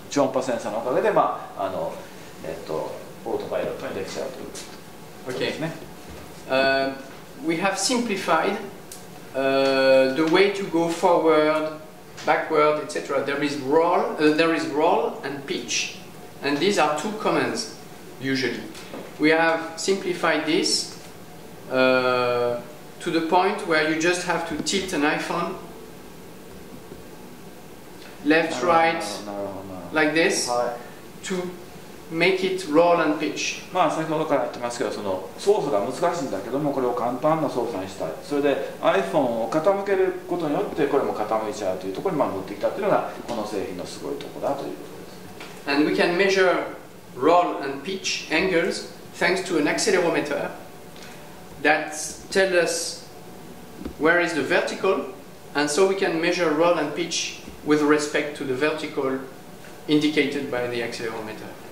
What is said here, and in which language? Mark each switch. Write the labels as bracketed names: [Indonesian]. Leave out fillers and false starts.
[Japanese] 超音波センサーのおかげで、まあ、オートパイロットにできちゃうということですね。 [English] Okay. We have simplified the way to go forward, backward, etc. There is roll and pitch. And these are two commands, usually. We have simplified this to the point where you just have to tilt an iPhone left, right, like this, to make it roll and pitch. [Japanese] まあ先ほどから言ってますけど、その操作が難しいんだけども、これを簡単な操作にしたい。それで iPhone を傾けることによって、これも傾いちゃうというところにまあ持ってきたというのが、この製品のすごいところだということ。 [English] And we can measure roll and pitch angles thanks to an accelerometer that tells us where is the vertical, and so we can measure roll and pitch with respect to the vertical indicated by the accelerometer.